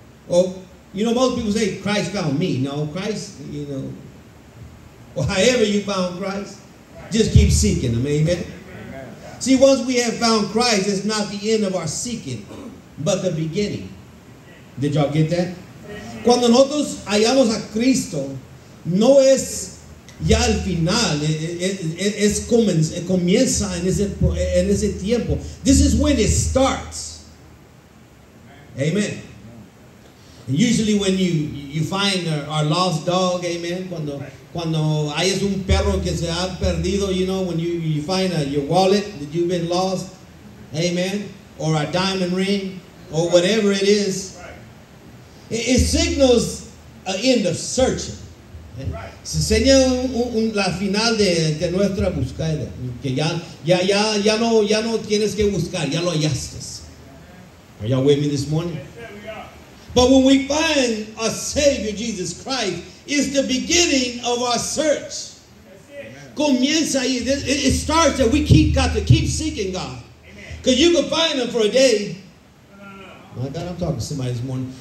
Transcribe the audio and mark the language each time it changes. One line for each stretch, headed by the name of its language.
English: Oh, you know, most people say Christ found me. No, Christ, you know. Well, however you found Christ, just keep seeking him. Amen. See, once we have found Christ, it's not the end of our seeking, but the beginning. Did y'all get that?
Spanish: Cuando nosotros hallamos a Cristo, no es ya el final. Es comienza en ese tiempo.
English: This is when it starts. Amen. And usually when you find our lost dog, amen,
Spanish: cuando hay un perro que se ha perdido,
English: you know, when you find your wallet that you've been lost, amen, or a diamond ring, or whatever it is, it signals an end of searching.
Spanish: Se enseña la final de nuestra búsqueda, que ya no tienes que buscar, ya lo hallaste.
English: Are y'all with me this morning? But when we find our Savior, Jesus Christ, it's the beginning of our search.
Spanish: Comienza ahí.
English: It starts that we got to keep seeking God. Because you can find him for a day. My God, I'm talking to somebody this morning.